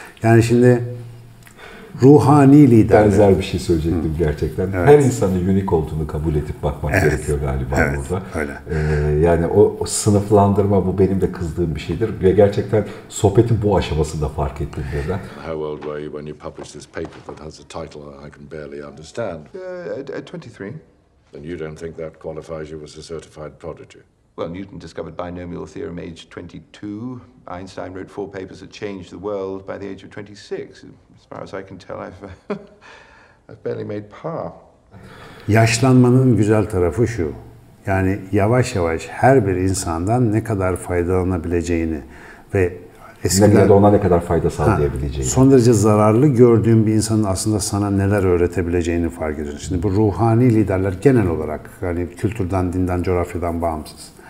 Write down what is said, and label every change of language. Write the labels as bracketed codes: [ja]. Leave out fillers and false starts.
[tr] Yani şimdi ruhani lider. Benzer bir şey söyleyecektim gerçekten. Evet. Her insanın unik olduğunu kabul edip bakmak gerekiyor galiba burada. Öyle. Yani o sınıflandırma bu benim de kızdığım bir şeydir. Ve gerçekten sohbetin bu aşamasında fark ettim birden. [en] How old were you when you published this paper that has a title I can barely understand? At 23. And you don't think that qualifies you as a certified prodigy? Well, Newton discovered binomial theorem age 22. Einstein wrote 4 papers that changed the world by the age of 26. As far as I can tell, I've barely made par. [tr] Yaşlanmanın güzel tarafı şu. Yani yavaş yavaş her bir insandan ne kadar faydalanabileceğini ve eskiden ne, ona ne kadar fayda sağlayabileceğini. Son derece zararlı gördüğün bir insanın aslında sana neler öğretebileceğini fark ediyorsun. Şimdi bu ruhani liderler genel olarak yani kültürden, dinden, coğrafyadan bağımsız.